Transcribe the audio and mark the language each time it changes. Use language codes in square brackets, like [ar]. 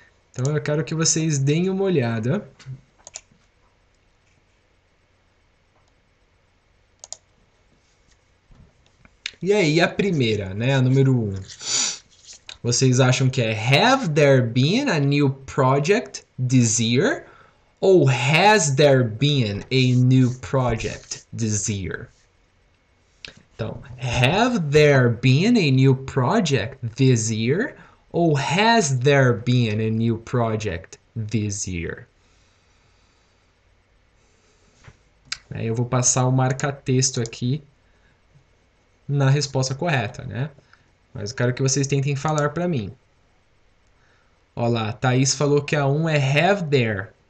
[pt] Então, eu quero que vocês deem uma olhada. E aí, a primeira, né? A número 1. Vocês acham que é [en] Have there been a new project this year? [pt] Ou [en] has there been a new project this year? [pt] Então, [en] have there been a new project this year? [pt] Ou [en] has there been a new project this year? [pt] Aí eu vou passar o marca-texto aqui na resposta correta, né? Mas eu quero que vocês tentem falar para mim. Olha lá, Thaís falou que a 1 é [en] have there.